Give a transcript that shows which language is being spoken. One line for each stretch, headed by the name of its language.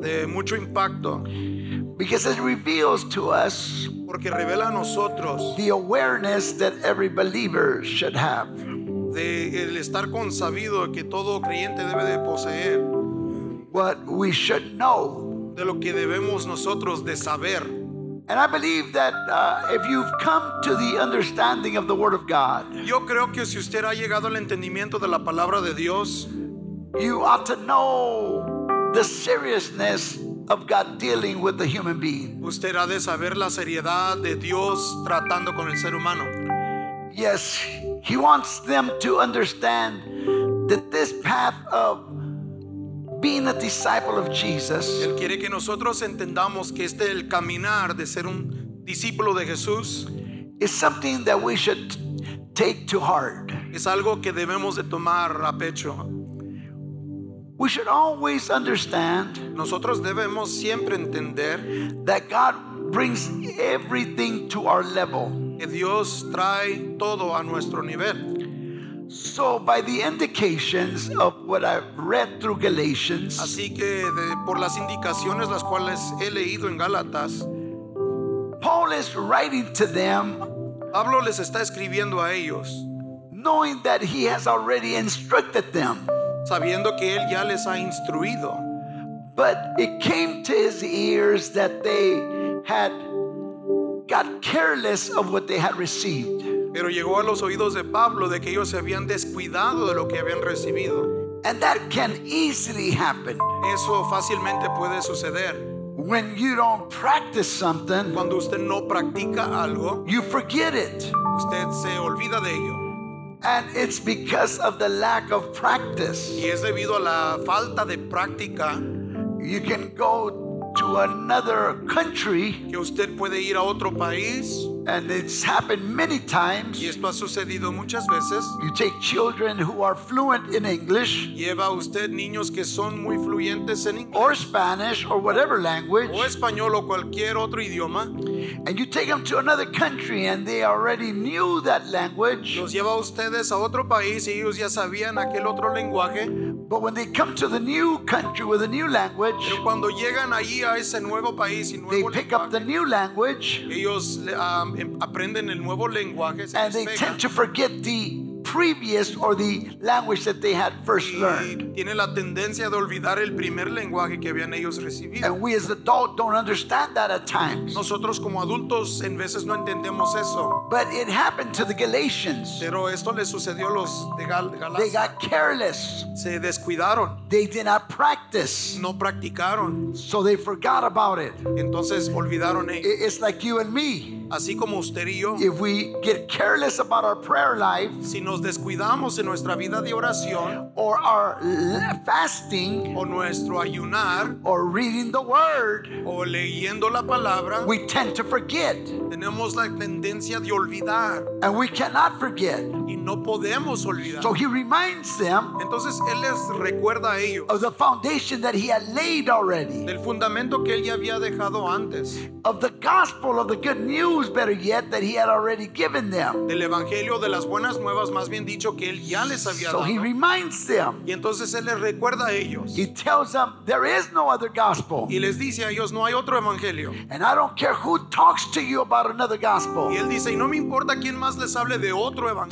Spanish: De mucho impacto.
English: Because it reveals to us.
Spanish: Porque revela a nosotros.
English: The awareness that every believer should have.
Spanish: De el estar consabido que todo creyente debe de poseer.
English: What we should know.
Spanish: De lo que debemos nosotros de saber.
English: And I believe that if you've come to the understanding of the Word of God,
Spanish: yo creo que si usted ha llegado al entendimiento de la palabra de Dios,
English: you ought to know the seriousness of God dealing with the human being.
Spanish: Usted ha de saber la seriedad de Dios tratando con el ser humano.
English: Yes, He wants them to understand that this path of being a disciple of Jesus.
Spanish: Él quiere que nosotros entendamos que este el caminar de ser un discípulo de Jesús
English: is something that we should take to heart.
Spanish: Es algo que debemos de tomar a pecho.
English: We should always understand.
Spanish: Nosotros debemos siempre entender
English: that God brings everything to our level.
Spanish: Que Dios trae todo a nuestro nivel.
English: So by the indications of what I've read through Galatians,
Spanish: así que de, por las indicaciones las cuales he leído en Gálatas,
English: Paul is writing to them.
Spanish: Pablo les está escribiendo a ellos,
English: knowing that he has already instructed them,
Spanish: sabiendo que él ya les ha instruido.
English: But it came to his ears that they had got careless of what they had received.
Spanish: Pero llegó a los oídos de Pablo de que ellos se habían descuidado de lo que habían recibido.
English: And that can easily happen.
Spanish: Eso fácilmente puede suceder.
English: When you don't practice something,
Spanish: cuando usted no practica algo,
English: you forget it.
Spanish: Usted se olvida de ello.
English: And it's because of the lack of practice.
Spanish: Y es debido a la falta de práctica.
English: You can go to another country,
Spanish: que usted puede ir a otro país,
English: and it's happened many times.
Spanish: Y esto ha sucedido muchas veces.
English: You take children who are fluent in English,
Spanish: lleva usted niños que son muy fluentes en inglés,
English: or Spanish or whatever language,
Spanish: o español o cualquier otro idioma,
English: and you take them to another country and they already knew that language.
Spanish: Los lleva ustedes a otro país y ellos ya sabían aquel otro lenguaje.
English: But when they come to the new country with a new language,
Spanish: pero cuando llegan allí a ese nuevo país y nuevo
English: they
Spanish: lenguaje,
English: pick up the new language,
Spanish: ellos aprenden el nuevo lenguaje, se
English: and
Spanish: despega,
English: they tend to forget the previous or the language that they had first learned.
Spanish: Tienen la tendencia de olvidar el primer lenguaje que habían ellos recibido.
English: And we as adults don't understand that at times.
Spanish: Nosotros como adultos en veces no entendemos eso.
English: But it happened to the Galatians.
Spanish: Pero esto les sucedió a los de Galacia.
English: They got careless.
Spanish: Se descuidaron.
English: They did not practice.
Spanish: No practicaron.
English: So they forgot about it.
Spanish: Entonces olvidaron ellos.
English: It's like you and me.
Spanish: Así como usted y yo.
English: If we get careless about our prayer life,
Spanish: si nos descuidamos en nuestra vida de oración,
English: or our fasting,
Spanish: o nuestro ayunar,
English: or reading the word,
Spanish: o leyendo la palabra,
English: we tend to forget.
Spanish: Tenemos la tendencia de olvidar.
English: And we cannot forget.
Spanish: Y no podemos olvidar.
English: So he reminds them.
Spanish: Entonces él les recuerda a ellos.
English: Of the foundation that he had laid already.
Spanish: Del fundamento que él ya había dejado antes.
English: Of the gospel of the good news, better yet, that he had already given them.
Spanish: Del evangelio de las buenas nuevas, más bien dicho, que él ya les había
English: so
Spanish: dado.
English: So he reminds them.
Spanish: Y entonces él les recuerda a ellos.
English: He tells them there is no other gospel.
Spanish: Y les dice a ellos no hay otro evangelio.
English: And I don't care who talks to you about another gospel.
Spanish: Y él dice y no me importa quién más les hable de otro evangelio.